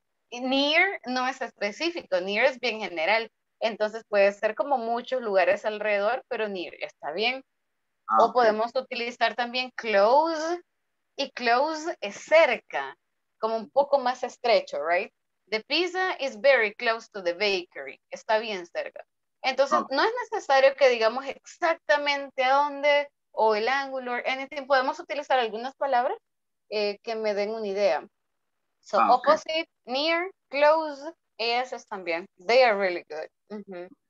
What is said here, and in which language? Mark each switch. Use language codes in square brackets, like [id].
[es] Near no es específico, near es bien general. Entonces puede ser como muchos lugares alrededor, pero near está bien. Okay. O podemos utilizar también close, y close es cerca, como un poco más estrecho, [en] right? The pizza is very close to the bakery. [es] Está bien cerca. Entonces okay. No es necesario que digamos exactamente a dónde o el ángulo [en] or anything. [es] Podemos utilizar algunas palabras que me den una idea. [en] So, okay. Opposite, near, close, [es] esas también. [en] They are really good. Mm-hmm.